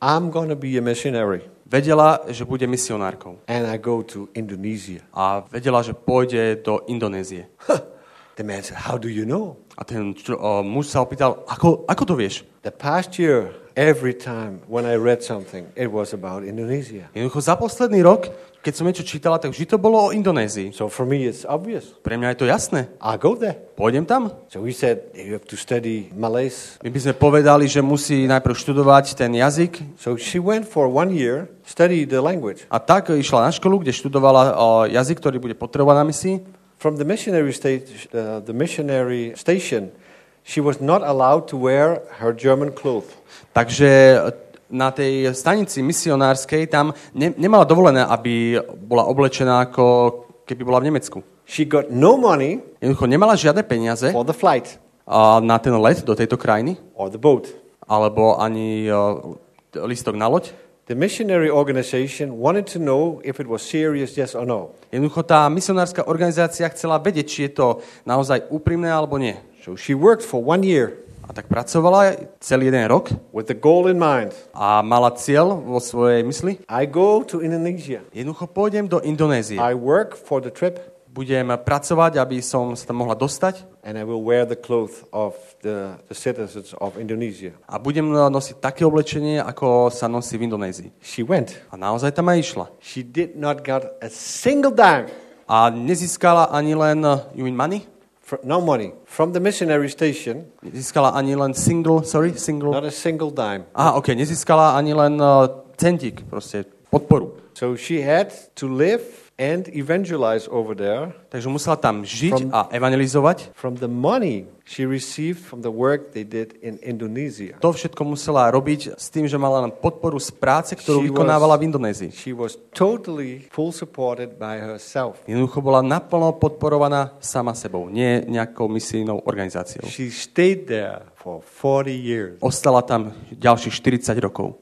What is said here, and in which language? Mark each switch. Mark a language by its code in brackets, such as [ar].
[en] I'm going to be a missionary. [sk] Vedela, že bude misionárkou. [en] And I go to Indonesia. [sk] A vedela, že pôjde do Indonézie. [en] The man said, how do you know? [sk] A ten muž sa opýtal, ako to vieš? [en] The past year, every time when I read something, it was about Indonesia. [sk] Jednoducho za posledný rok, keď som niečo čítala, tak vždy to bolo o Indonézii. [en] So for me it's obvious. [sk] Pre mňa je to jasné. [en] I'll go there. [sk] Pôjdem tam. [en] So we said you have to study Malays. [sk] My by sme povedali, že musí najprv študovať ten jazyk. [en] So she went for 1 year, studied the language. [sk] A tak išla na školu, kde študovala jazyk, ktorý bude potrebovaný na misii. [en] From the missionary station, she was not allowed to wear her German clothes. [sk] Takže na tej stanici misionárskej tam nemala dovolené, aby bola oblečená ako keby bola v Nemecku. [en] She got no money. [sk] Jednoducho nemala žiadne peniaze. [en] For the flight. [sk] Na ten let do tejto krajiny. [en] Or the boat. [sk] Alebo ani listok na loď. [en] The missionary organization wanted to know if it was serious, yes or no. [sk] Jednoducho tá misionárska organizácia chcela vedieť, či je to naozaj úprimné alebo nie. [en] So she worked for one year. [sk] A tak pracovala celý jeden rok. [en] With the goal in mind. [sk] A mala cieľ vo svojej mysli. [en] I go to Indonesia. [sk] Jednoducho pôjdem do Indonézie. [en] I work for the trip. [sk] Budem pracovať, aby som sa tam mohla dostať. [en] And I will wear the clothes of the citizens of Indonesia. [sk] A budem nosiť také oblečenie, ako sa nosí v Indonézii. [en] She went. [sk] A naozaj tam aj išla. [en] She did not get a single dime. [sk] A nezískala ani len [en] you mean money? No money. From the missionary station. [sk] Nezískala ani len [en] single, sorry, single. Not a single dime. [sk] Aha, okay, nezískala ani len centík, proste podporu. [en] So she had to live and evangelize over there. [sk] Takže musela tam žiť a evangelizovať. [en] From the money she received from the work they did in Indonesia. [sk] To všetko musela robiť s tým, že mala len podporu z práce, ktorú vykonávala v Indonézii. [en] She was totally full supported by herself. [sk] Jednoducho bola naplno podporovaná sama sebou, nie nejakou misijnou organizáciou. [en] She stayed there for 40 years. [sk] Ostala tam ďalších 40 rokov.